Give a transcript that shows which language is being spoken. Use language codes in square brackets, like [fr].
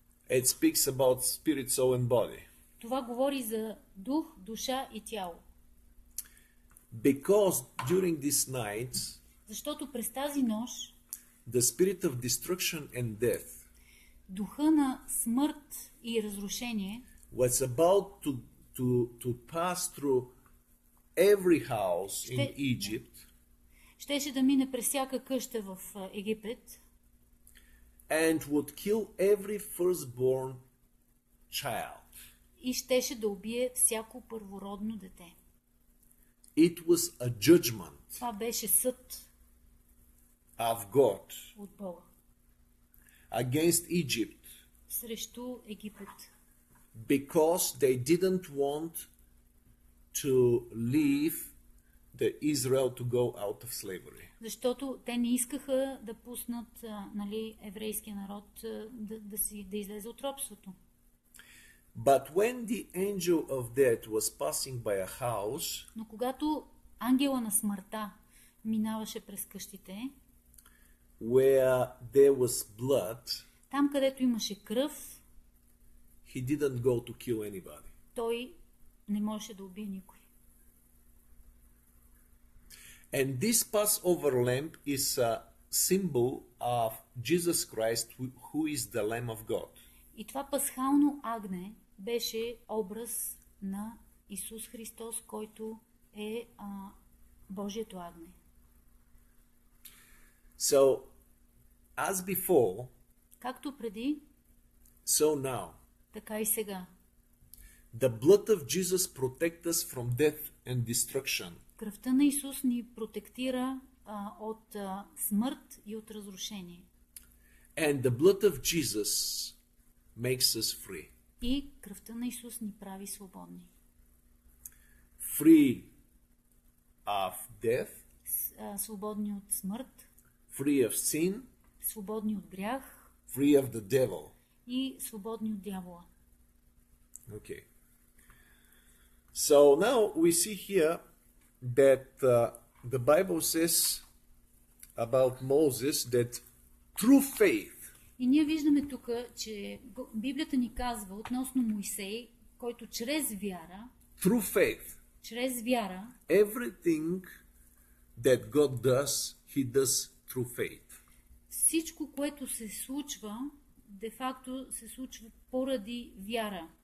[en] It speaks about spirit, soul and body. [bg] Това говори за дух, душа и тяло. [en] Because during this night, [bg] защото през тази нощ, [en] the spirit of destruction and death, [bg] духа на смърт и разрушение, [en] was about to pass through every house in Egypt, [bg] щеше да мине през всяка къща в Египет, [en] and would kill every firstborn child, [bg] и щеше да убие всяко първородно дете. [en] It was a judgment. [bg] Това беше съд. [en] of God [bg] от Бога. [en] Against Egypt. [bg] Срещу Египет. [en] Because they didn't want to leave the Israel to go out of slavery. [bg] Защото те не искаха да пуснат, нали, еврейския народ да излезе от робството. [en] But when the angel of death was passing by a house, [bg] но когато ангела на смъртта минаваше през къщите, [en] where there was blood, [bg] там където имаше кръв, [en] he didn't go to kill anybody. [bg] Той не можеше да убие никой. [en] And this Passover lamb is a symbol of Jesus Christ, who is the Lamb of God. [bg] И това пасхално агне беше образ на Исус Христос, който е Божието агне. [en] So, as before, [bg] както преди, [en] so now, [bg] така и сега. [en] The blood of Jesus protects us from death and destruction. [bg] Кръвта на Исус ни протектира от смърт и от разрушение. [en] And the blood of Jesus makes us free. [bg] И кръвта на Исус ни прави свободни. [en] Free of death. [bg] Свободни от смърт. [en] Free of sin. [bg] Свободни от грях. [en] Free of the devil. [bg] И свободни от дявола. [en] Okay. So now we see here that the Bible says about Moses that true faith. [bg] И ние виждаме тук, че Библията ни казва относно Моисей, който чрез вяра, [en] true faith, [bg] чрез вяра, [en] everything that God does, he does through faith. [bg] Всичко, което се случва, де факто се случва поради вяра.